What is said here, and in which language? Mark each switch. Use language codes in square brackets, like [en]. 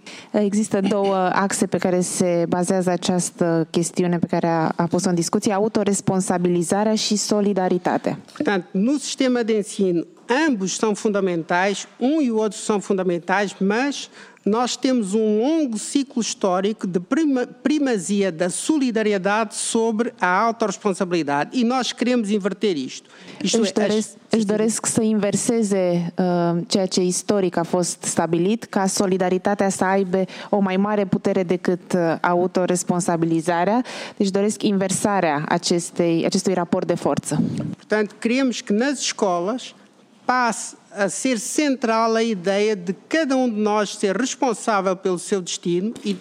[ro] Există două axe pe care se bazează această chestiune pe care a pus-o în discuție, autoresponsabilizarea și solidaritatea. [pt] Portanto, no sistema de ensino, ambos são fundamentais, um e o outro são fundamentais, mas nós temos um longo ciclo histórico de primazia da solidariedade sobre a autoresponsabilidade e nós queremos inverter isto. [ro] Își doresc să inverseze ceea ce istoric a fost stabilit, ca solidaritatea să aibă o mai mare putere decât autoresponsabilizarea. Deci doresc inversarea acestui raport de forță. [pt] Portanto, queremos que nas escolas passe a ser central a ideia de cada de nós ser responsável pelo seu destino